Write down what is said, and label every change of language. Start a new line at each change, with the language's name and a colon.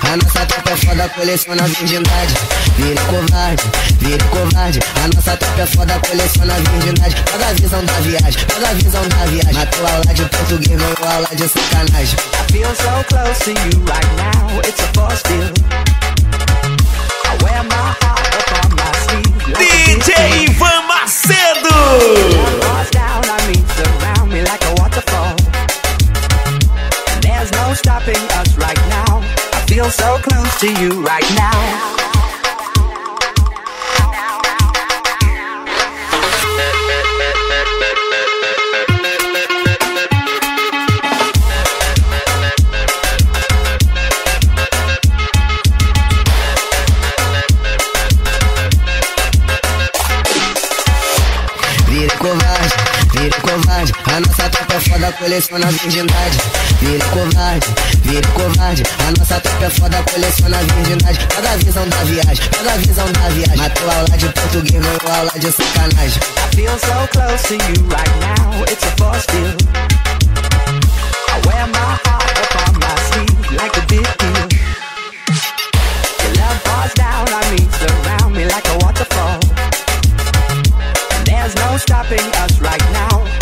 Portuguese: A nossa tropa é foda, coleciona a virgindade. Vira covarde, vira covarde. A nossa tropa é foda, coleciona a virgindade. Pega a visão da viagem, pega a visão da viagem. Matou a aula de português, ganhou a aula de sacanagem.
English: I feel so close to you right now. It's a force field. DJ Ivan Macedo. There's no stopping us right now. I feel so close to you right now.
Portuguese: A nossa tropa é foda, coleciona a virgindade. Vira covarde, vira covarde. A nossa tropa é foda, coleciona a virgindade. Pega a visão da viagem, pega a visão da viagem. Matou aula de português, ganhou aula de sacanagem.
English: I feel so close to you right now. It's a force field. I wear my heart upon my sleeve like a big deal. Your love falls down on me, surround me like a waterfall. And there's no stopping us right now.